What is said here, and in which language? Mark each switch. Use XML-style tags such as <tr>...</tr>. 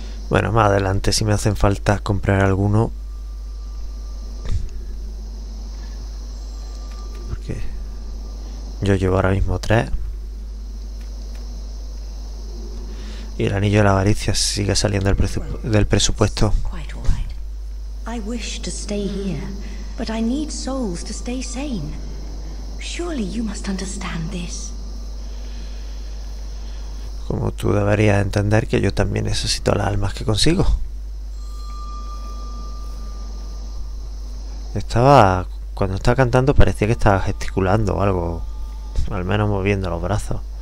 <es>Bueno, más adelante si me hacen falta comprar alguno. Yo llevo ahora mismo tres. Y el anillo de la avaricia sigue saliendo del presupuesto.</es> <en>I wish to stay here, but I need souls to stay sane. Surely you must understand this.</en> <es>Como tú deberías entender que yo también necesito las almas que consigo. Estaba. Cuando estaba cantando parecía que estaba gesticulando o algo. Al menos moviendo los brazos.</es>